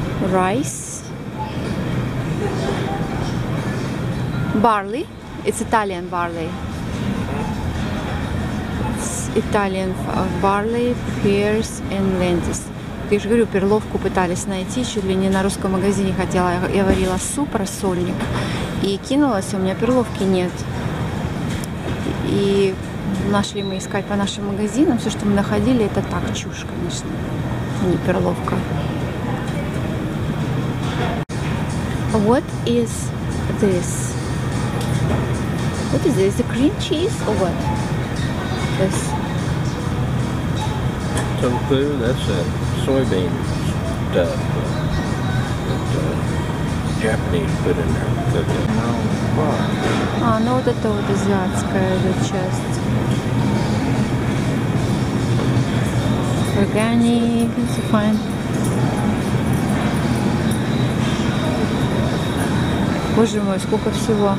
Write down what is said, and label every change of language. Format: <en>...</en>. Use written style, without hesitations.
<en>Rice. Barley, it's Italian barley. It's Italian barley, pears and lentils.</en> <ru>Я же говорю, перловку пытались найти, чуть ли не на русском магазине хотела. Я варила суп, рассольник, И кинулась, а у меня перловки нет. И нашли мы искать по нашим магазинам. Все, что мы находили, это так, чушь, конечно, а не перловка.</ru> <en>What is this? What is this? The cream cheese or what? This. Tofu, that's a soybean stuff that Japanese put in there to cook it. No, what?</en> <ru>А, ну вот это вот азиатская эта часть.</ru> <en>Organic, it's fine.</en> <ru>Боже мой, сколько всего.</ru>